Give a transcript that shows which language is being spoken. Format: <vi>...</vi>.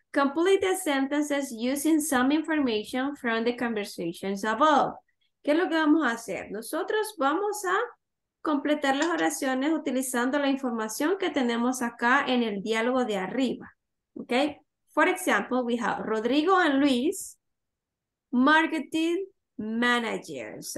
<en>Complete the sentences using some information from the conversations above.</en> <es>¿Qué es lo que vamos a hacer? Nosotros vamos a completar las oraciones utilizando la información que tenemos acá en el diálogo de arriba. ¿Ok?</es> <en>For example, we have Rodrigo and Luis, marketing managers.</en>